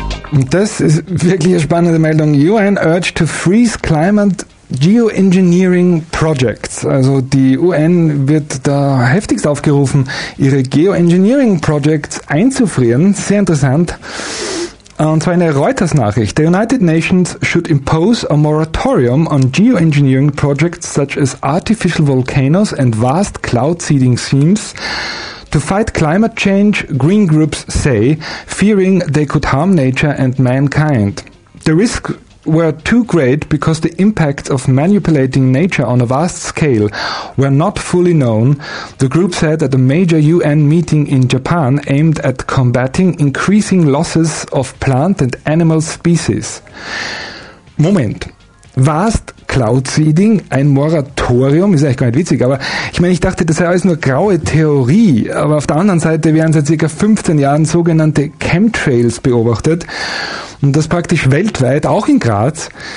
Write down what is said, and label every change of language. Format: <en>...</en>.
<de>Und das ist wirklich eine spannende Meldung.</de> <en>UN urged to freeze climate Geoengineering Projects.</en> <de>Also die UN wird da heftigst aufgerufen, ihre Geoengineering Projects einzufrieren. Sehr interessant. Und zwar eine Reuters-Nachricht.</de> <en>The United Nations should impose a moratorium on geoengineering projects such as artificial volcanoes and vast cloud seeding schemes to fight climate change, green groups say, fearing they could harm nature and mankind. The risk were too great because the impacts of manipulating nature on a vast scale were not fully known, the group said at a major UN meeting in Japan aimed at combating increasing losses of plant and animal species.</en> <de>Moment. Vast Cloud Seeding, ein Moratorium, ist eigentlich gar nicht witzig, aber ich meine, ich dachte, das sei alles nur graue Theorie, aber auf der anderen Seite werden seit circa 15 Jahren sogenannte Chemtrails beobachtet und das praktisch weltweit, auch in Graz.</de>